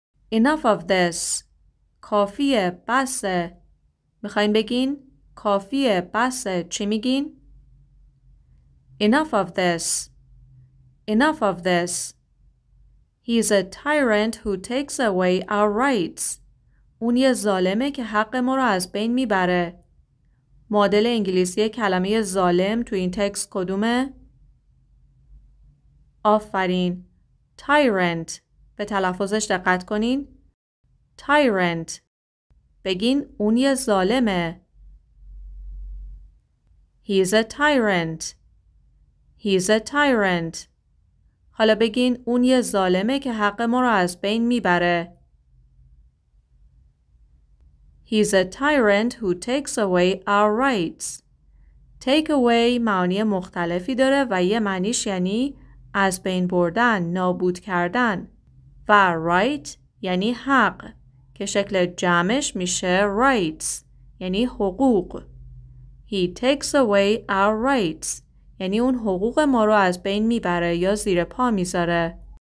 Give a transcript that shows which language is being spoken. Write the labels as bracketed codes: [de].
[en] Enough of this. [fa] کافیه، بسه. میخواین بگین؟ کافیه، بسه. چی میگین؟ [en] Enough of this. Enough of this. He is a tyrant who takes away our rights. [fa] اون یه ظالمه که حق ما رو از بین میبره. معادل انگلیسی کلمه ظالم تو این تکست کدومه؟ آفرین. Tyrant. به تلفظش دقت کنین. Tyrant. بگین اون یه ظالمه. [en] He's a tyrant. He's a tyrant. [fa] حالا بگین اون یه ظالمه که حق ما رو از بین میبره. [en] He's a tyrant who takes away our rights. [fa] Take away معانی مختلفی داره و یه معنیش یعنی از بین بردن، نابود کردن و right یعنی حق که شکل جمعش میشه rights یعنی حقوق. [en] He takes away our rights [fa] یعنی اون حقوق ما رو از بین میبره یا زیر پا میذاره.